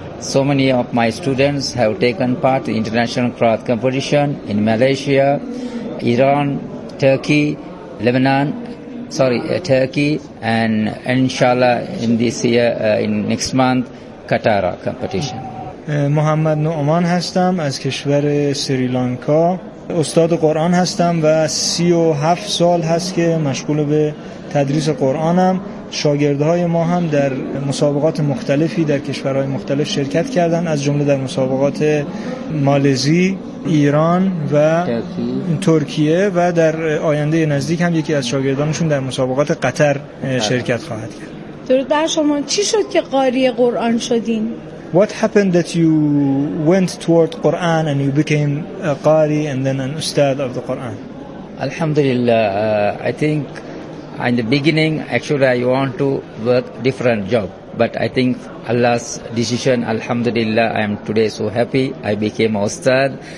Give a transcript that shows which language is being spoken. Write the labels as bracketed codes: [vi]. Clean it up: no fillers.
[en] So many of my students have taken part in international Quran competition in Malaysia, Iran, Turkey, Lebanon. Turkey, and inshallah in this year, in next month, Qatar competition. [fa] Muhammad Nu'man hastam az kishvar Sri Lanka. استاد قرآن هستم و 37 سال هست که مشغول به تدریس قرآنم. شاگردهای ما هم در مسابقات مختلفی در کشورهای مختلف شرکت کردن، از جمله در مسابقات مالزی، ایران و ترکیه، و در آینده نزدیک هم یکی از شاگردانشون در مسابقات قطر شرکت خواهد کرد. درود بر شما. چی شد که قاری قرآن شدین؟ [en] What happened that you went toward Quran and you became a qari and then an ustad of the Quran? Alhamdulillah, I think in the beginning actually I want to work different job, but I think Allah's decision, alhamdulillah, I am today so happy I became a ustad.